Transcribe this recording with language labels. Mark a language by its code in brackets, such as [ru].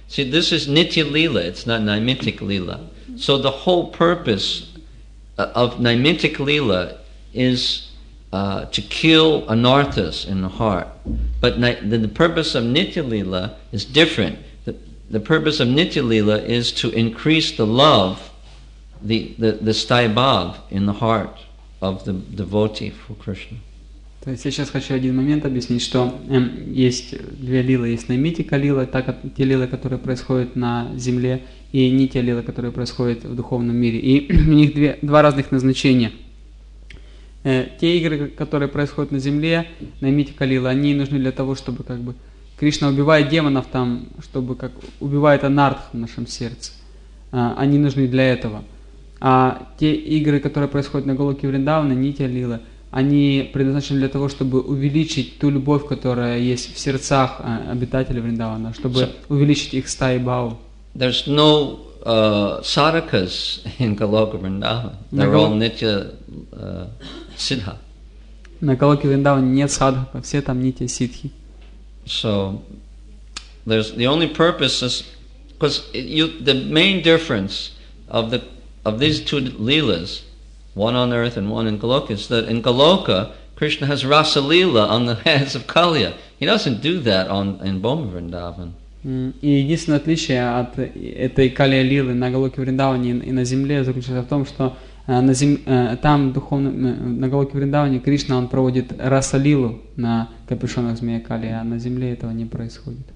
[en] See, this is Nitya Leela, it's not Naimittik Leela. So the whole purpose of Naimittik Leela is to kill anarthas in the heart. But the purpose of Nitya Leela is different. The purpose of Nitya Leela is to increase the love, the sthaibhav in the heart of the devotee for Krishna. [ru] То есть я сейчас хочу один момент объяснить, что есть две лилы, есть наймитика лила, те лилы, которые происходят на земле, и нитья лила, которые происходят в духовном мире. И у них два разных назначения. Те игры, которые происходят на земле, наймитика лила, они нужны для того, чтобы как бы Кришна убивает демонов там, чтобы как убивает анартх в нашем сердце. Они нужны для этого. А те игры, которые происходят на Голоке Вриндавана, нитья лила, они предназначены для того, чтобы увеличить ту любовь, которая есть в сердцах обитателей Вриндавана, чтобы увеличить их стаи бау. [en] There's no sadhakas in Goloka Vrindavan. They're all nitya siddha. [ru] На Голоке Вриндаване нет садхака, все там нитья сидхи. [en] So there's the only purpose is because the main difference of these two leelas, one on earth and one in Goloka, is that in Goloka, Krishna has rasa lila on the heads of Kaliya. He doesn't do that in Boma Vrindavan. [ru] И единственное отличие от этой Калия лилы на Голоке Вриндаване и на земле заключается в том, что там духовно на Голоке Вриндаване Кришна он проводит раса лилу на капюшонах змея Калия, а на земле этого не происходит.